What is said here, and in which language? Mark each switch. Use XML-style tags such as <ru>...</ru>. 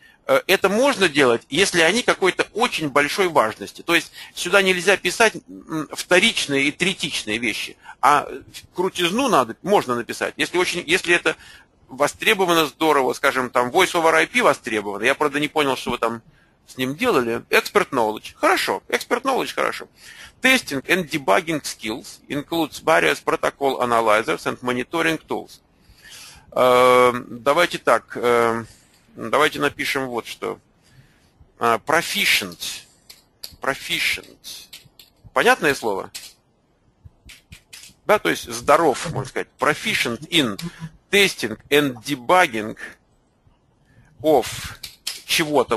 <ru>Это можно делать, если они какой-то очень большой важности. То есть сюда нельзя писать вторичные и третичные вещи. А крутизну надо, можно написать. Если это востребовано здорово, скажем, там Voice over IP востребовано. Я, правда, не понял, что вы там с ним делали.</ru> <en>Expert knowledge.</en> <ru>Хорошо.</ru> <en>Expert knowledge</en> <ru>хорошо.</ru> <en>Testing and debugging skills includes various protocol analyzers and monitoring tools.</en> <ru>Давайте так... Давайте напишем вот что.</ru> <en>Proficient. Proficient.</en> <ru>Понятное слово? Да, то есть здоров, можно сказать.</ru> <en>Proficient in testing and debugging of</en> <ru>чего-то.</ru>